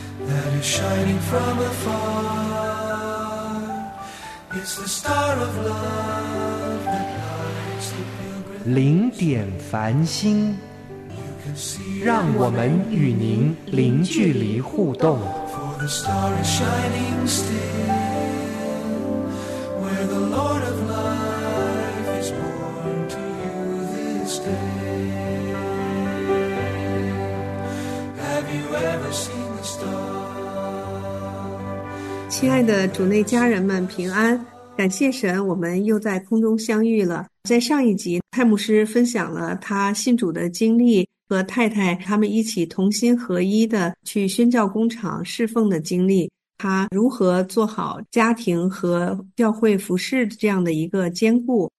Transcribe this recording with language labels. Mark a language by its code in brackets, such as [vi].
[en] That is shining from afar. It's the star of love that lights the pilgrimage. [zh] 零点繁星，让我们与您零距离互动。 [en] For the star is shining still, where the Lord of life is born to you this day. Have you ever seen the star? [zh] 亲爱的主内家人们平安，感谢神，我们又在空中相遇了。在上一集，泰牧师分享了他信主的经历和太太他们一起同心合一的去宣教工厂侍奉的经历，他如何做好家庭和教会服事这样的一个兼顾。